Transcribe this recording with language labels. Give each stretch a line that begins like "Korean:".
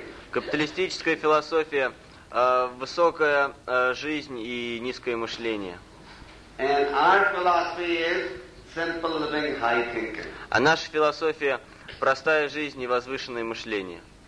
Russian: Капиталистическая философия – высокая жизнь и низкое мышление.
English: And our philosophy is simple living, high thinking.
Russian: А наша философия – простая жизнь и возвышенное мышление.